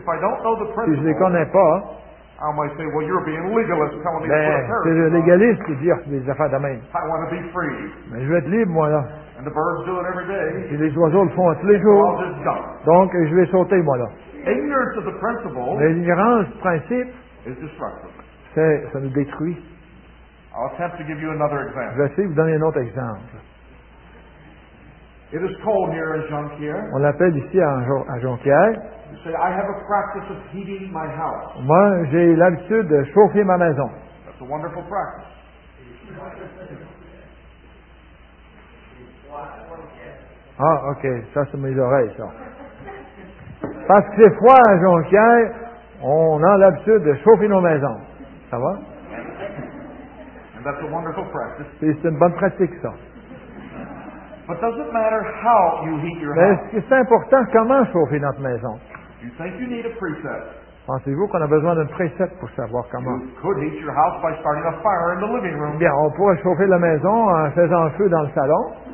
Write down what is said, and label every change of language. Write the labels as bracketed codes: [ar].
[en] If I don't know the principle, [fr] si je ne les connais pas, [en] I might say, well, you're being legalist telling me [fr] ben, [en] to put a parachute. [fr] C'est le légaliste qui dit des affaires de même. [en] I want to be free. [fr] Mais je veux être libre, moi, là. [en] And the birds do it every day. [fr] Et les oiseaux le font tous les jours. [en] I'll just jump. [fr] Donc, je vais sauter, moi, là. [en] Ignorance of the principle, [fr] mais l'ignorance du principe, [en] is destructive. [fr] C'est, ça nous détruit. [en] I'll attempt to give you another example. [fr] Je vais essayer de vous donner un autre exemple. [en] It is cold here in Jonquière. [fr] On l'appelle ici à Jonquière. [en] You say, I have a practice of heating my house. [fr] Moi, j'ai l'habitude de chauffer ma maison. [en] That's a wonderful practice. [fr] Ah, OK. Ça, c'est mes oreilles, ça. Parce que c'est froid à Jonquière, on a l'habitude de chauffer nos maisons. Ça va? [en] And that's a wonderful practice. [fr] Et c'est une bonne pratique, ça. [en] But does it matter how you heat your house? [fr] Est-ce que c'est important comment chauffer notre maison? [en] You think you need a precept? [fr] Pensez-vous qu'on a besoin d'un précepte pour savoir comment? [en] You could heat your house by starting a fire in the living room. [fr] Bien, on pourrait chauffer la maison en faisant un feu dans le salon.